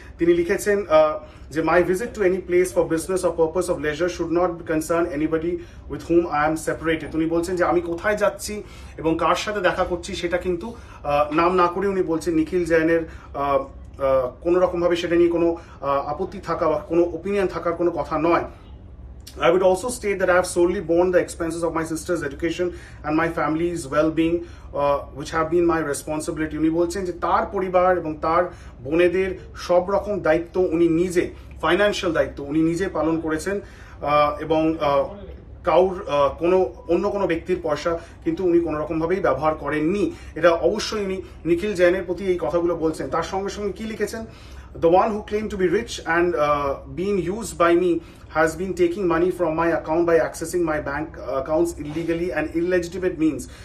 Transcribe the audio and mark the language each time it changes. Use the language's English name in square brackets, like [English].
[Bangla] তিনি লিখেছেন যে [English] My visit to any place for business or purpose of leisure should not concern anybody with whom I am separated. [Bangla] উনি বলছেন যে আমি কোথায় যাচ্ছি এবং কার সাথে দেখা করছি সেটা কিন্তু নাম না করে উনি বলছেন নিখিল জৈনের কোন রকমভাবে সেটা নিয়ে কোনো আপত্তি থাকা বা কোনো ওপিনিয়ন থাকার কোনো কথা নয়। [English] I would also state that I have solely borne the expenses of my sister's education and my family's well-being, which have been my responsibility. [Bangla] উনি বলছেন যে তার পরিবার এবং তার বোনেদের সব রকম দায়িত্ব উনি নিজে, ফাইন্যান্সিয়াল দায়িত্ব উনি নিজে পালন করেছেন এবং কাউর কোনো অন্য কোনো ব্যক্তির পয়সা কিন্তু উনি কোনোরকমভাবেই ব্যবহার করেননি। এটা অবশ্যই উনি নিখিল জৈনের প্রতি এই কথাগুলো বলছেন। তার সঙ্গে সঙ্গে কি লিখেছেন, [English] The one who claim to be rich and being used by me has been taking money from my account by accessing my bank accounts illegally and illegitimate means.